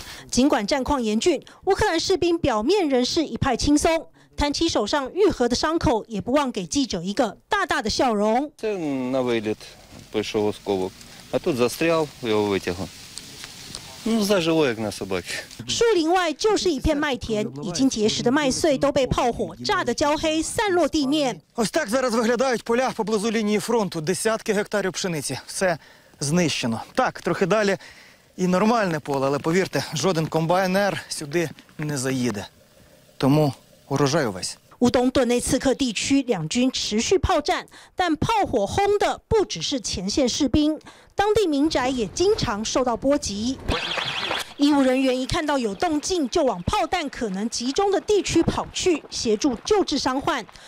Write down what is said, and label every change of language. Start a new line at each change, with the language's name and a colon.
Chinese: 尽管战况严峻，乌克兰士兵表面仍是一派轻松，谈起手上愈合的伤口，也不忘给记者一个大大的笑容。树林外就是一片麦田，已经结实的麦穗都被炮火炸得焦黑，散落地面。
Ukrainian: Ось так зараз виглядають поля поблизу лінії фронту. Десятки гектарів пшениці, все знищено. Так, трохи далі і нормальне поле, але повірте, жоден комбайнер сюди не заїде. Тому урожай увесь.
Chinese: 乌东顿内茨克地区两军持续炮战，但炮火轰的不只是前线士兵，当地民宅也经常受到波及。医务人员一看到有动静，就往炮弹可能集中的地区跑去，协助救治伤患。